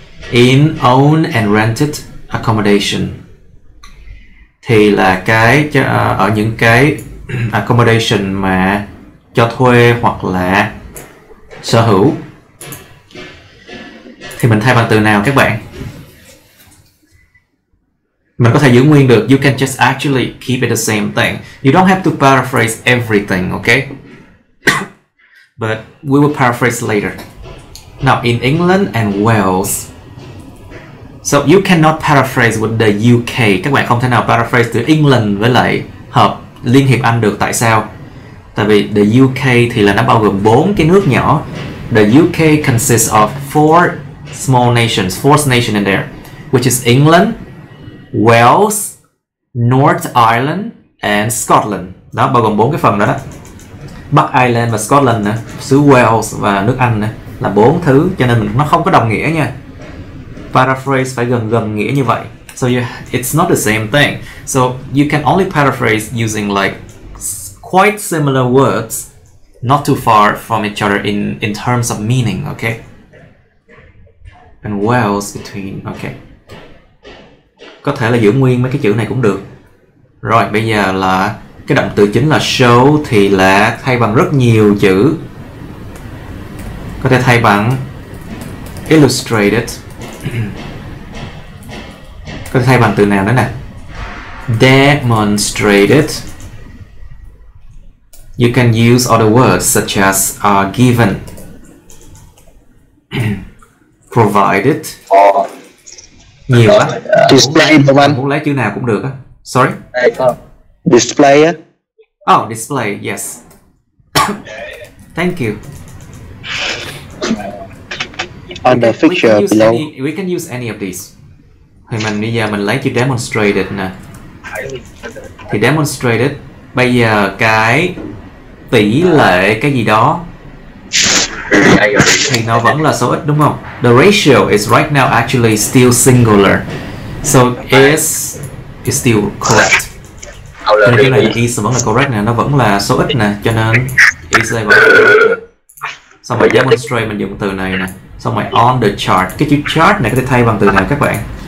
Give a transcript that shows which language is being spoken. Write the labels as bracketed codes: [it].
[en] In own and rented accommodation [vi] thì là cái ở những cái accommodation mà cho thuê hoặc là sở hữu, thì mình thay bằng từ nào các bạn? Mình có thể giữ nguyên được. [en] You can just actually keep it the same thing. You don't have to paraphrase everything, okay? But we will paraphrase later. Now, in England and Wales. So you cannot paraphrase with the UK. [vi] Các bạn không thể nào paraphrase từ England với lại hợp Liên Hiệp Anh được. Tại sao? Tại vì the UK thì là nó bao gồm 4 cái nước nhỏ. [en] The UK consists of 4 small nations, 4th nation in there, which is England, Wales, North Ireland and Scotland. [vi] Đó, bao gồm 4 cái phần đó đó. Bắc Ireland và Scotland nữa, xứ Wales và nước Anh nữa, là 4 thứ, cho nên nó không có đồng nghĩa nha. Paraphrase phải gần nghĩa như vậy. [en] So you, it's not the same thing. So you can only paraphrase using like quite similar words, not too far from each other in terms of meaning, okay? And Wales between, okay. [vi] Có thể là giữ nguyên mấy cái chữ này cũng được. Rồi, bây giờ là cái động từ chính là show, thì là thay bằng rất nhiều chữ. Có thể thay bằng illustrated. Có thể thay bằng từ nào nữa nè? Demonstrated. [en] You can use other words such as are given, provided. [vi] Nhiều lắm. [en] Display [vi] muốn lấy, chữ nào cũng được. [en] Sorry. Display. Oh, display. Yes. Thank you. Under fixture below. Any, we can use any of these. [vi] Thì mình bây giờ mình lấy chữ demonstrated nè. Thì demonstrated. Bây giờ cái tỷ lệ cái gì đó thì nó vẫn là số ít đúng không? [en] The ratio is right now actually still singular. So is still correct. [vi] Nên cái này is vẫn là correct nè, nó vẫn là số ít nè. Cho nên is đây vẫn là correct nè. Xong rồi demonstrate mình dùng từ này nè. Xong rồi [en] on the chart. [vi] Cái chữ chart này có thể thay bằng từ nào các bạn?